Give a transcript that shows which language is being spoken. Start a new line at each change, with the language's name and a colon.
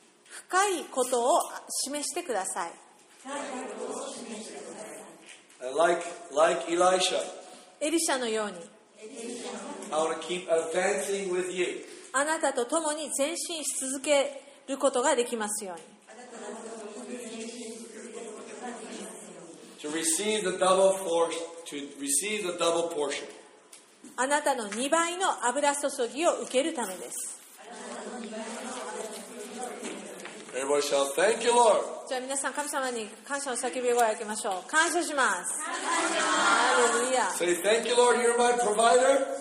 Japanese: 深いことを示してください。
English: Like Elisha.
Japanese: エリシャのように。
English: I want to keep advancing with you.
Japanese: あなたと共に前進し続けることができますように。
English: To receive the double force, to receive the double portion.
Japanese: あなたの2倍の油注ぎを受けるためです。
English: Everybody shall thank you, Lord.
Japanese: じゃあ皆さん神様に感謝の叫び声をあげましょう。感謝します。
English: Hallelujah. Say thank you, Lord. You're my provider.